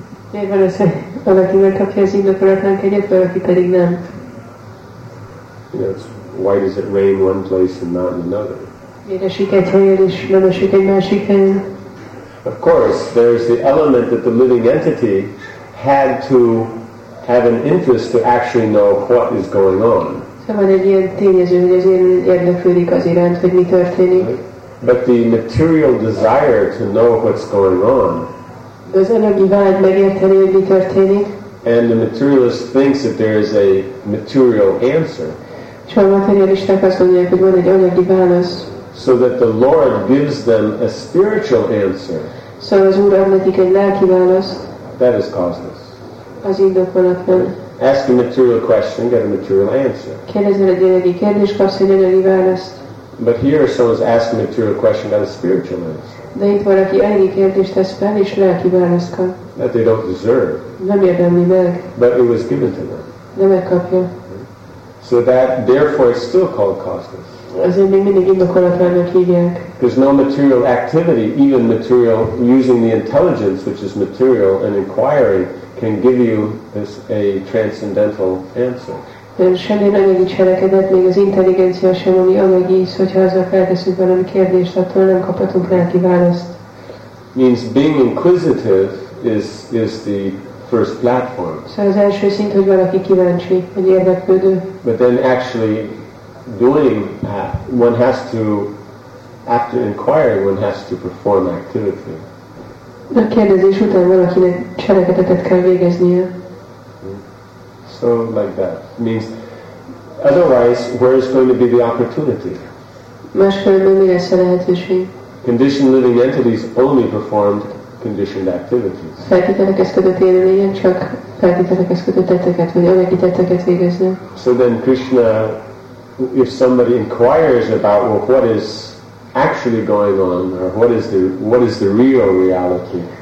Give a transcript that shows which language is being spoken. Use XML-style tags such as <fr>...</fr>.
<hu>Miért van az, hogy valaki megkapja az indokolatlan kegyet, valaki pedig nem?</hu> <en>Yes, why does it rain one place and not another?</en> <hu>Miért esik egy helyen, és nem esik egy másik helyen?</hu> <en>Of course, there is the element that the living entity had to have an interest to actually know what is going on.</en> <hu>Szóval egy ilyen tényező, hogy az én érdeklődik az iránt, hogy mi történik.</hu> <en>But the material desire to know what's going on.</en> <hu>Az anyagi vágy megérteni, hogy mi történik.</hu> <en>And the materialist thinks that there is a material answer.</en> <hu>És a materialisták azt mondják, hogy van egy anyagi válasz.</hu> <en>So that the Lord gives them a spiritual answer.</en> <hu>So az Úr ad nekik egy lelki választ.</hu> <en>That is causeless.</en> <hu>Az indokolatlan.</hu> <en>Ask a material question, get a material answer.</en> <hu>Kérdezel egy anyagi kérdést, kapsz egy anyagi választ.</hu> <en>But here someone's asking a material question, got a spiritual answer.</en> <hu>De itt valaki anyagi kérdést tesz fel, és lelki választ kap.</hu> <en>That they don't deserve.</en> <hu>Nem érdemli meg.</hu> <en>But it was given to them.</en> <hu>De megkapja.</hu> <en>So that, therefore, it's still called causeless. Because no material activity, even material using the intelligence, which is material, and inquiry, can give you this a transcendental answer.</en> <hu>Semmi nem egy cselekedet, még az intelligencia sem, ami anyagi, hogyha azzal felteszünk valami kérdést, attól nem kaphatunk lelki választ.</hu> <en>Means being inquisitive is the first platform.</en> <hu>Szóval az első szint, hogy valaki kíváncsi, egy érdeklődő.</hu> <en>But then actually doing that, one has to, after inquiring, one has to perform activity.</en> <hu>A kérdezés után valakinek cselekedetet kell végeznie.</hu> <en>So like that means. Otherwise, where is going to be the opportunity? Conditioned living entities only performed conditioned activities. So then, Krishna, if somebody inquires about, well, what is actually going on, or what is the real reality?</en>